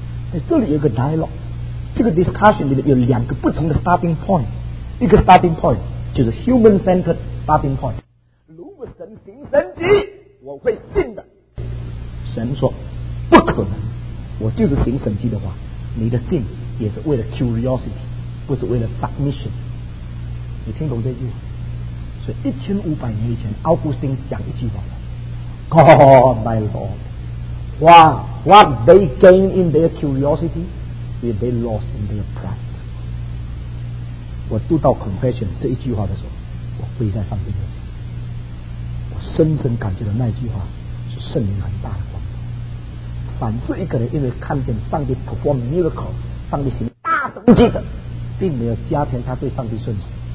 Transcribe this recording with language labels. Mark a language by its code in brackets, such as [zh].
[zh] 在这里有一个 dialogue， 这个 discussion 里面有两个不同的 starting point， 一个 starting point 就是 [en] human centered starting point。 [zh] 如果神行神迹，我会信的。神说不可能，我就是行神迹的话，你的信也是为了 curiosity， 不是为了 submission。你听懂这句话？所以1500年以前，奥古斯丁讲一句话 [en] ：“God, my Lord, what they gain in their curiosity, if they lost in their pride。” [zh] 我读到 confession 这一句话的时候，我跪在上帝面前，我深深感觉到那句话是圣灵很大的光。凡是一个人因为看见上帝 [en] perform miracle， [zh] 上帝行大神迹的，并没有加添他对上帝顺从。